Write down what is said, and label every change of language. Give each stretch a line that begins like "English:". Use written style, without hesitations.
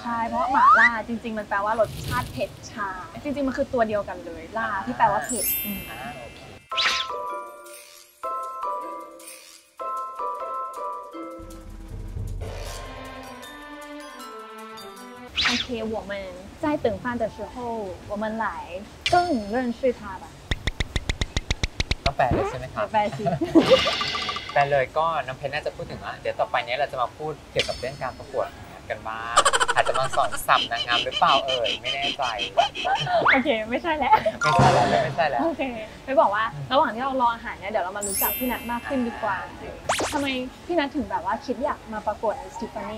Thai: ใช่เพราะหม่าล่าจริงๆมันแปลว่ารสชาติเผ็ดชาจริงๆมันคือตัวเดียวกันเลยล่าที่แปลว่าเผ็ดอั
Chinese: 而且我们在等饭的时候，我们来更认识他吧。
Thai: น้องแปลเลยใช่ไหมครับ แปลสิ แปลเลยก็น้องเพชรน่าจะพูดถึงว่าเดี๋ยวต่อไปนี้เราจะมาพูดเกี่ยวกับเรื่องการประกวดกันบ้างอาจจะมาสอนสับนางงามหรือเปล่าเอ่ยไม่แน่ใจ โอเคไม่ใช่แล้ว ไม่ใช่แล้ว โอเคไปบอกว่าระหว่างที่เรารออาหารเนี่ยเดี๋ยวเรามารู้จักพี่นัทมากขึ้นดีกว่าทำไมพี่นัทถึงแบบว่าคิดอยากมาประกวดสติฟานี